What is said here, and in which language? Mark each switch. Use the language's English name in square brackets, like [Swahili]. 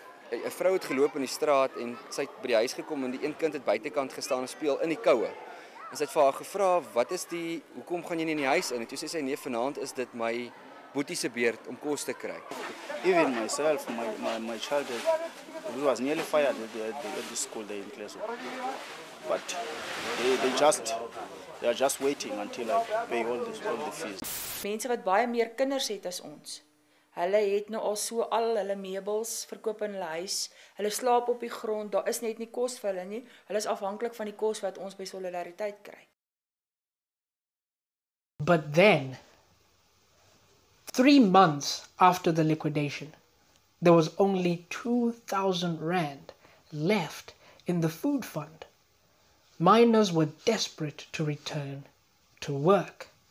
[Afrikaans] Een vrouw het geloop in die straat en sy het by die huis gekom en die een kind het buitenkant gestaan en speel in die koue. En sy het vir haar gevra, wat is die, hoekom gaan jy nie in die huis in? En toe sê sy, nee, vanavond is dit my boetie se beurt om kos te kry. [English] Even myself, my child, we was nearly fired at the school day in class. But they are just waiting until I pay all the fees. [Afrikaans] Mense wat baie meer kinders het as ons. Hulle het nou al so al hulle meubels verkoop in hulle huis. Hulle slaap op die grond, daar is net nie kos vir hulle nie. Hulle is afhanklik van die kos wat ons by solidariteit kry. [English] But then, 3 months after the liquidation, there was only 2,000 rand left in the food fund. Miners were desperate to return to work.